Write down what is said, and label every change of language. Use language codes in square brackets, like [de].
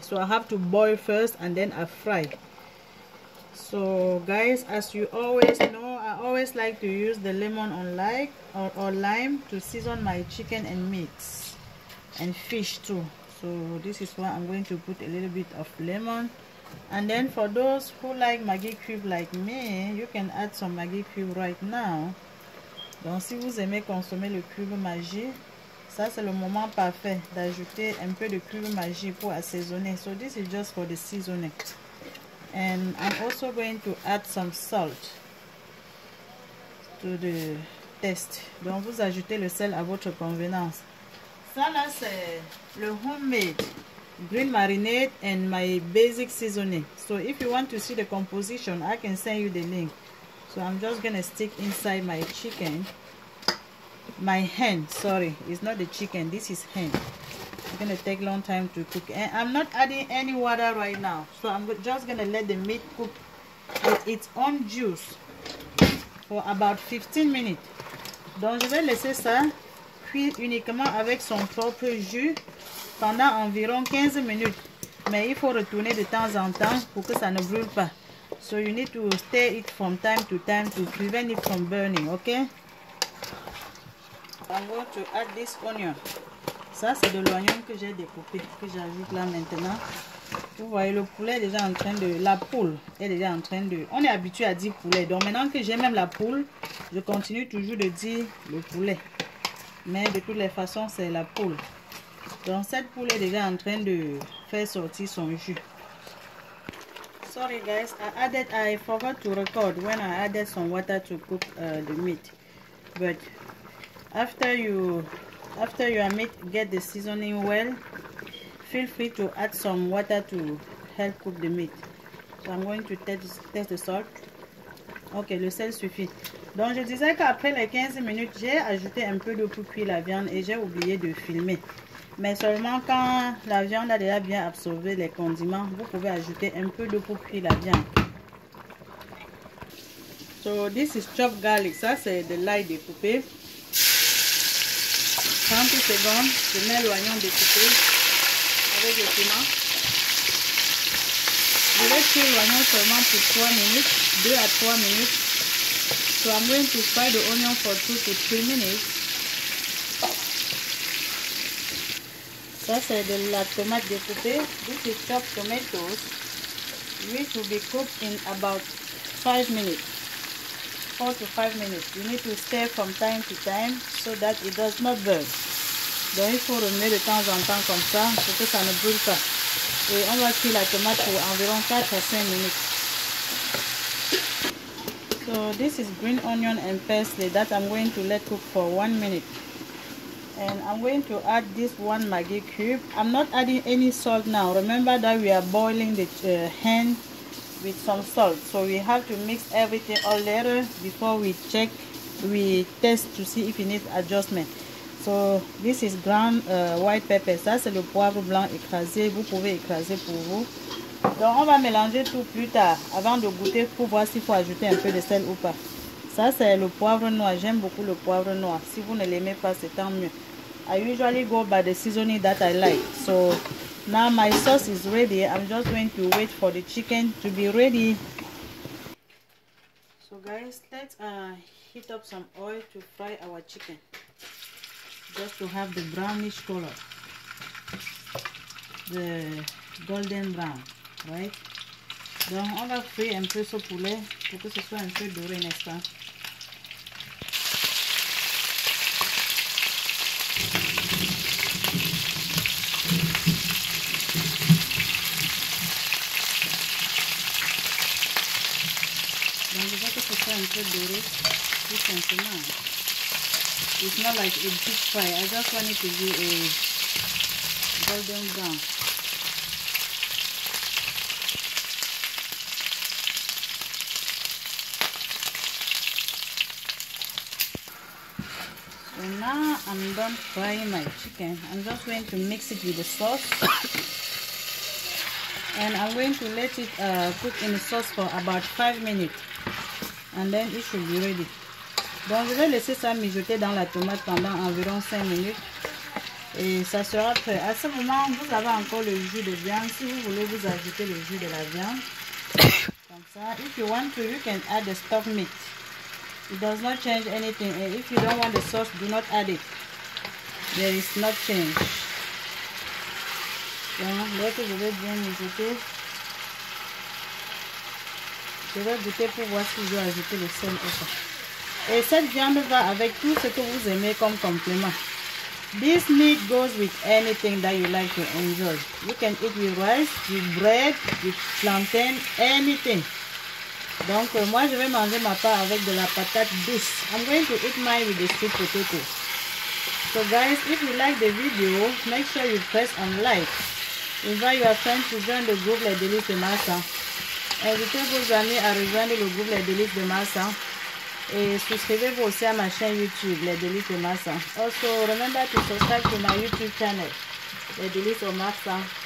[en] So I have to boil first and then I fry. So guys, as you always know, I always like to use the lemon or lime to season my chicken and meat and fish too. So this is why I'm going to put a little bit of lemon. And then for those who like Maggi cube like me, you can add some Maggi cube right now. [fr] Donc si vous aimez consommer le cube Maggi, ça c'est le moment parfait d'ajouter un peu de cube Maggi pour assaisonner. [en] So this is just for the seasoning. And I'm also going to add some salt to the test. [fr] Donc vous ajoutez le sel à votre convenance. Ça là c'est le [en] homemade green marinade and my basic seasoning. So if you want to see the composition, I can send you the link. So I'm just gonna stick inside my chicken, my hen, sorry, it's not the chicken, this is hen. It's gonna take long time to cook, and I'm not adding any water right now, so I'm just gonna let the meat cook with its own juice for about 15 minutes. [fr] Donc je vais laisser ça cuire uniquement avec son propre jus pendant environ 15 minutes, mais il faut retourner de temps en temps pour que ça ne brûle pas. [en] So you need to stir it from time to time to prevent it from burning, okay? [fr] I'm going to add this onion. Ça c'est de l'oignon que j'ai découpé, que j'ajoute là maintenant. Vous voyez le poulet est déjà en train de... La poule est déjà en train de... On est habitué à dire poulet. Donc maintenant que j'ai même la poule, je continue toujours de dire le poulet. Mais de toutes les façons, c'est la poule. Donc cette poule est déjà en train de faire sortir son jus. [en] Sorry guys, I forgot to record when I added some water to cook the meat. But after your meat get the seasoning well, feel free to add some water to help cook the meat. So I'm going to test the salt. [fr] Ok, le sel suffit. Donc je disais qu'après les 15 minutes, j'ai ajouté un peu d'eau pour cuire la viande et j'ai oublié de filmer. Mais seulement quand la viande a déjà bien absorbé les condiments, vous pouvez ajouter un peu d'eau pour cuire la viande. [en] So this is chopped garlic. [fr] Ça c'est de l'ail découpé. 30 secondes, je mets l'oignon découpé avec le piment. Je vais cuire l'oignon seulement pour 3 minutes, 2 à 3 minutes. [en] So I'm going to fry the onion for 2 to 3 minutes. [fr] Ça c'est de la tomate découpée. [en] This is chopped tomatoes, which will be cooked in about 5 minutes. 4 to 5 minutes. You need to stir from time to time so that it does not burn. [fr] Donc il faut remuer de temps en temps comme ça pour que ça ne brûle pas. Et on va cuire la tomate pour environ 4 à 5 minutes. [en] So this is green onion and parsley that I'm going to let cook for 1 minute. And I'm going to add this one Maggi cube. I'm not adding any salt now. Remember that we are boiling the hen with some salt. So we have to mix everything all later before we test to see if it needs adjustment. So this is ground white pepper. [fr] Ça c'est le poivre blanc écrasé. Vous pouvez écraser pour vous. Donc on va mélanger tout plus tard avant de goûter pour voir s'il faut ajouter un peu de sel ou pas. Ça c'est le poivre noir. J'aime beaucoup le poivre noir. Si vous ne l'aimez pas, c'est tant mieux. [en] I usually go by the seasoning that I like. So now my sauce is ready. I'm just going to wait for the chicken to be ready. So guys, let's heat up some oil to fry our chicken. Just to have the brownish color, the golden brown, right? [fr] Donc on va frire un peu ce poulet pour que ce soit un peu doré, n'est-ce pas? Donc je veux que ce soit un peu doré, tout simplement. [en] It's not like a deep fry. I just want it to be a golden brown. So now I'm done frying my chicken. I'm just going to mix it with the sauce. And I'm going to let it cook in the sauce for about 5 minutes. And then it should be ready. [fr] Donc je vais laisser ça mijoter dans la tomate pendant environ 5 minutes. Et ça sera prêt. À ce moment, vous avez encore le jus de viande. Si vous voulez, vous ajoutez le jus de la viande. Comme ça. [en] If you want to, you can add the stock meat. It does not change anything. And if you don't want the sauce, do not add it. There is no change. [fr] Donc, là que je vais bien mijoter. Je vais goûter pour voir si je vais ajouter le sel ou pas. Et cette viande va avec tout ce que vous aimez comme complément. [en] This meat goes with anything that you like to enjoy. You can eat with rice, with bread, with plantain, anything. [fr] Donc moi je vais manger ma part avec de la patate douce. [en] I'm going to eat mine with the sweet potato. So guys, if you like the video, make sure you press on like. Invite your friends to join the group Les Délices de Massa. [fr] Invitez vos amis à rejoindre le groupe Les Délices de Massa. Et souscrivez-vous aussi à ma chaîne YouTube, Les Délices de Massa. [en] Also, remember to subscribe to my YouTube channel, Les Délices de Massa.